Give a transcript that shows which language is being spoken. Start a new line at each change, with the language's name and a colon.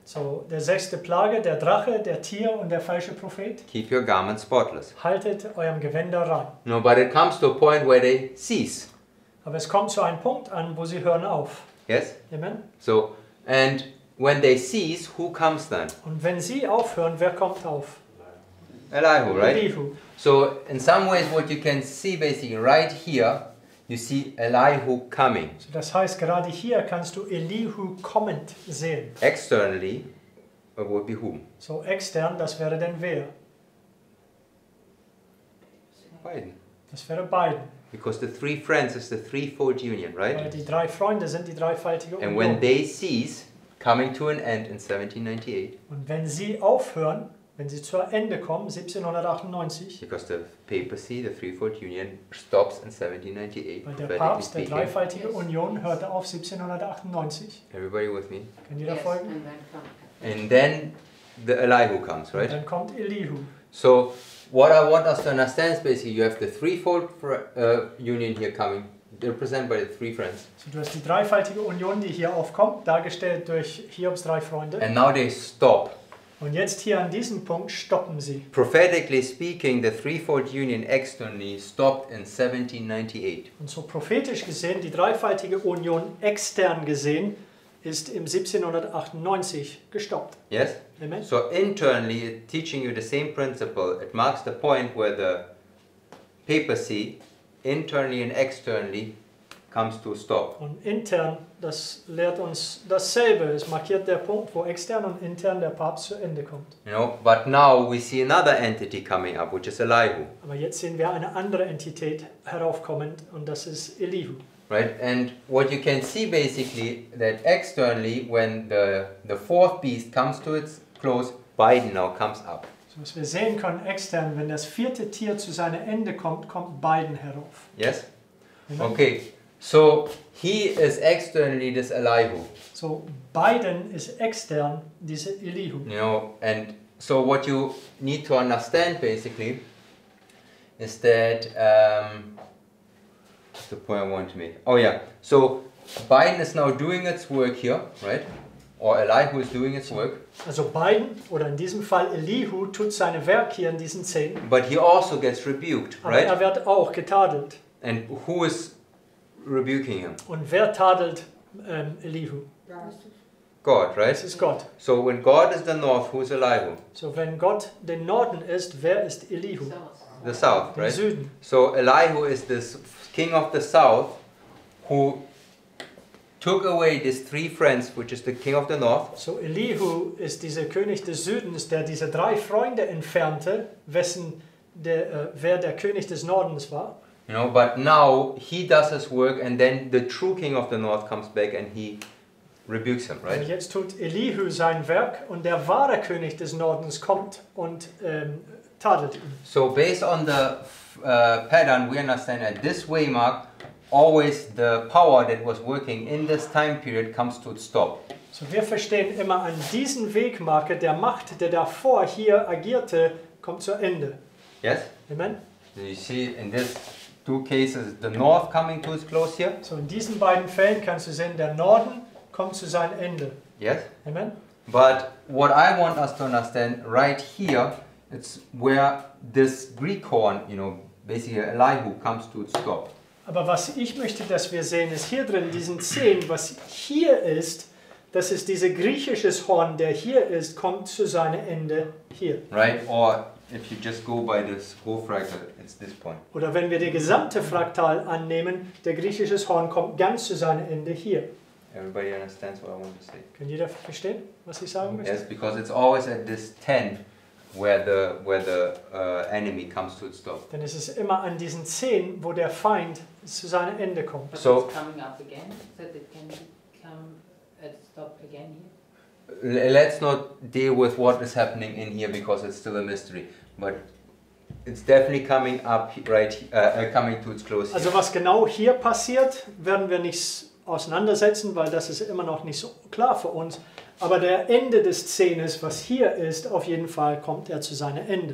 German: So, der sechste Plage, der Drache, der Tier und der falsche Prophet.
English: Keep your garments spotless.
German: Haltet eurem Gewänder rein.
English: No, but it comes to a point where they cease.
German: Aber es kommt zu einem Punkt an, wo sie hören auf.
English: Yes? Amen. So, and when they cease, who comes then?
German: Und wenn sie aufhören, wer kommt auf?
English: Elihu, right?
German: Elihu.
English: So, in some ways what you can see basically right here, you see Elihu coming.
German: So das heißt, gerade hier kannst du Elihu kommend sehen.
English: Externally, it would be whom?
German: So extern, das wäre denn wer?
English: Biden.
German: Das wäre Biden.
English: Because the three friends is the threefold union, right?
German: Weil die drei Freunde sind die dreifaltige Union.
English: And when they cease, coming to an end in 1798.
German: Und wenn sie aufhören, wenn sie zu Ende kommen, 1798.
English: Because the papacy, the threefold union, stops in 1798.
German: Weil der Papst, der dreifaltige Union, hörte auf 1798.
English: Everybody with me?
German: Kann jeder folgen?
English: And then the Elihu comes, right?
German: Und dann kommt Elihu.
English: So, what I want us to understand is basically you have the threefold union here coming, represented by the three friends.
German: So du hast die dreifaltige Union, die hier aufkommt, dargestellt durch Hiobs drei Freunde.
English: And now they stop.
German: Und jetzt hier an diesem Punkt stoppen sie.
English: Prophetically speaking, the threefold union externally stopped in 1798.
German: Und so prophetisch gesehen, die dreifaltige Union extern gesehen, ist im 1798 gestoppt.
English: Yes? Amen. So internally, teaching you the same principle, it marks the point where the papacy internally and externally comes to stop.
German: Und intern, das lehrt uns dasselbe. Es markiert der Punkt, wo extern und intern der Papst zu Ende kommt.
English: You know, but now we see another entity coming up, which is Elihu.
German: Aber jetzt sehen wir eine andere Entität heraufkommend, und das ist Elihu.
English: Right, and what you can see basically that externally, when the fourth beast comes to its close, Biden now comes up.
German: So, was wir sehen können extern, wenn das vierte Tier zu seinem Ende kommt, kommt Biden herauf.
English: Yes. Okay. So he is externally this Elihu. So Biden is extern this Elihu. You know, and so what you need to understand basically is that. The point I want to make. Oh yeah. So Biden is now doing its work here, right? Or Elihu is doing its work.
German: Also Biden oder in diesem Fall Elihu tut seine Werk hier in diesen Szenen.
English: But he also gets rebuked,
German: aber
English: right?
German: Aber er wird auch getadelt.
English: And who is rebuking him?
German: Und wer tadelt Elihu?
English: God, right?
German: Es ist Gott.
English: So when God is the north, who is Elihu?
German: So wenn Gott den Norden ist, wer ist Elihu?
English: The south,
German: den
English: right?
German: Süden.
English: So Elihu is this king of the south who took away these three friends, which is the king of the north.
German: So Elihu ist dieser König des Südens, der diese drei Freunde entfernte, wessen der wer der König des Nordens war.
English: You know, but now he does his work and then the true king of the north comes back and he rebukes him, right?
German: Und jetzt tut Elihu sein Werk und der wahre König des Nordens kommt und tadelt ihn.
English: So based on the pattern, we understand that this way mark always the power that was working in this time period comes to stop.
German: So wir verstehen immer an diesen Wegmarke, der Macht, der davor hier agierte, kommt zu Ende.
English: Yes? Amen? So you see in these two cases, the north coming to its close here.
German: So in diesen beiden Fällen kannst du sehen, der Norden kommt zu seinem Ende.
English: Yes? Amen? But what I want us to understand right here, it's where this Greek horn, you know, basically Elihu comes to its stop.
German: Aber was ich möchte, dass wir sehen, ist hier drin, diesen Szenen, was hier ist, dass es dieses griechische Horn, der hier ist, kommt zu seinem Ende hier.
English: Right, or if you just go by this whole fractal, it's this point.
German: Oder wenn wir die gesamte Fraktal annehmen, der griechische Horn kommt ganz zu seinem Ende hier.
English: Everybody understands what I want to say.
German: Kann jeder verstehen, was ich sagen möchte?
English: Yes, because it's always at this 10. Where the enemy comes to its stop.
German: Denn es ist immer an diesen Zehen, wo der Feind zu seinem Ende kommt.
English: But so it's coming up again, so it can come at stop again here. Let's not deal with what is happening in here because it's still a mystery. But it's definitely coming up right, coming to its close.
German: Also was genau hier passiert, werden wir nicht auseinandersetzen, weil das ist immer noch nicht so klar für uns. Aber der Ende des Zähnes, was hier ist, auf jeden Fall kommt er zu seinem Ende.